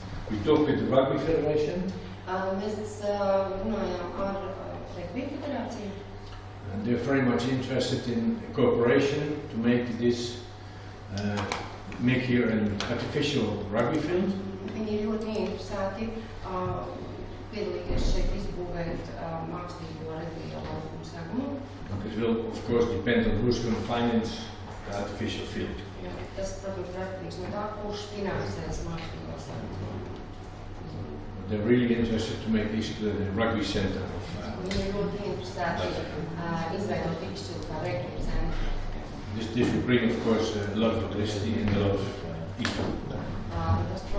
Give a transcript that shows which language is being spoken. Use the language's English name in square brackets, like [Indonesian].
[English] We talk with the Rugby Federation? [Latvian] Mēs runājām ar Rugby Federāciju. [English] And they're very much interested in cooperation to make this make here an artificial rugby field. [Latvian] Viņi ir ļoti interesēti piedalīties šeit izbūvēt mākslīgo rugby laukumu segumu. [English] Because it will of course depend on who's going to finance the artificial field. [Latvian] Tas tāpēc rakstīgs no tā, kurš finansēs mākslīgo segumu. [English] They're really interested to make this the rugby center of This will bring, of course, a lot of publicity and a lot of people.